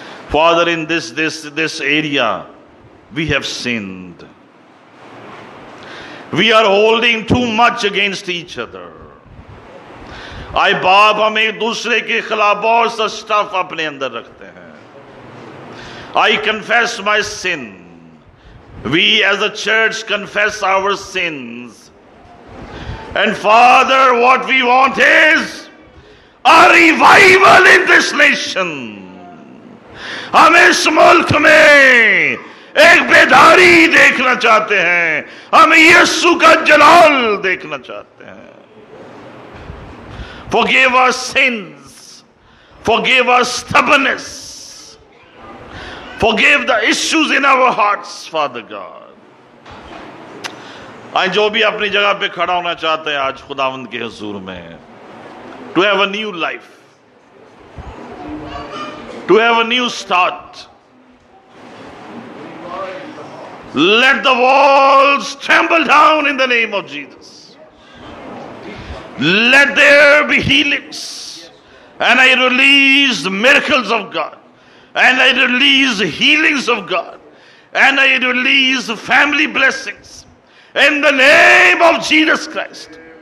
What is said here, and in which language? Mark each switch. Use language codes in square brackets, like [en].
[en] Father, in this area we have sinned, we are holding too much against each other. [ur] آئے باپ, ہم ایک دوسرے کے خلاف بہت سا سٹف اپنے اندر رکھتے ہیں. [en] I confess my sin. We as a church confess our sins. And Father, what we want is a revival in this nation. [ur] ہم اس ملک میں ایک بیداری دیکھنا چاہتے ہیں. ہم یسوع کا جلال دیکھنا چاہتے ہیں. [en] Forgive our sins. Forgive our stubbornness. Forgive the issues in our hearts, Father God. [ur] آئیں جو بھی اپنی جگہ پہ کھڑا ہونا چاہتے ہیں آج خداوند کے حضور میں, [en] to have a new life, to have a new start. Let the walls tremble down in the name of Jesus. Let there be healings and I release the miracles of God. and I release the healings of God, and I release the family blessings in the name of Jesus Christ.